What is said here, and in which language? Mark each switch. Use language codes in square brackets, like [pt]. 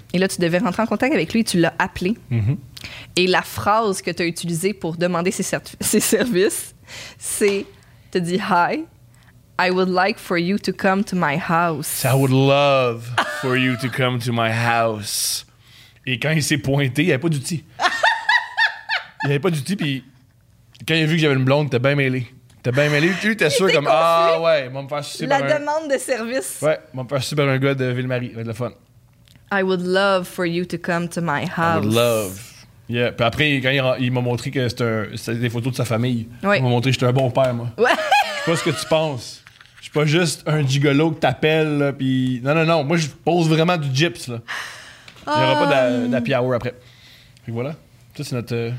[fr] Et là, tu devais rentrer en contact avec lui, et tu l'as appelé. Mm-hmm. Et la phrase que tu as utilisée pour demander ses services, c'est, tu as dit « Hi, [en] I would like for you to come to my house. I would love for you to come to my house. [fr] Et quand il s'est pointé, il n'y avait pas d'outil. Il n'y avait pas d'outil, puis quand il a vu que j'avais une blonde, t'es bien mêlé. T'es bien mêlé. Tu t'es sûr comme, ah ouais, il va me faire super la demande de service. Ouais, il va me faire super un gars de Ville-Marie. Il va être le fun. [en] I would love for you to come to my house. I would love. Yeah. [fr] Puis après, quand il m'a montré que c'était des photos de sa famille, ouais. Il m'a montré que j'étais un bon père, moi. Ouais. Je sais pas ce que tu penses. Je suis pas juste un gigolo que t'appelles, puis non, non, non. Moi, je pose vraiment du gyps, là. Il y aura pas d'happy hour après. Puis voilà. Ça, c'est notre...